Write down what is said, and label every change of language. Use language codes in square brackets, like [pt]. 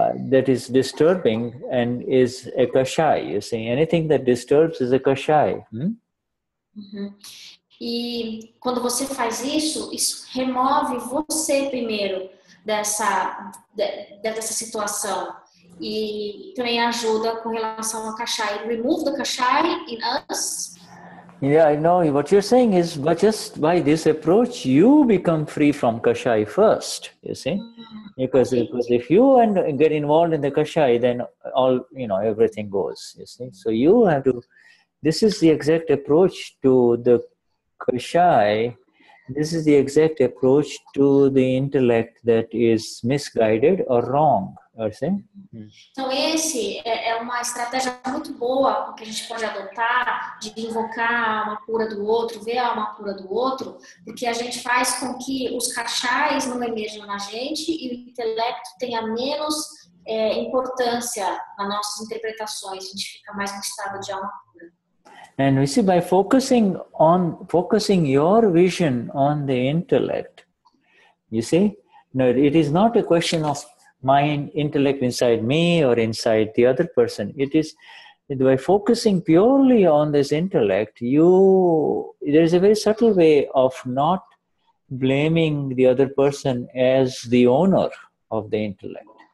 [en] That is disturbing and is a kashai, you see. Anything that disturbs is a kashai. [pt] E quando você faz isso, isso remove você primeiro dessa situação. E também ajuda com relação ao kashai. [en] Remove the kashai in us. Yeah, I know what you're saying is, but just by this approach, you become free from kashai first, you see. Because if you get involved in the kashai, then all, you know, everything goes, you see. So you have to, this is the exact approach to the kashai. This is the exact approach to the intellect that is misguided or wrong. [pt] Então, esse é uma estratégia muito boa que a gente pode adotar de invocar a alma pura do outro, ver a alma pura do outro, porque a gente faz com que os cachais não emerjam na gente e o intelecto tenha menos importância nas nossas interpretações. A gente fica mais no estado de alma pura. [en] And we see by focusing your vision on the intellect, you see, no, it is not a question of my intellect inside me or inside the other person. It is by focusing purely on this intellect, there is a very subtle way of not blaming the other person as the owner of the intellect.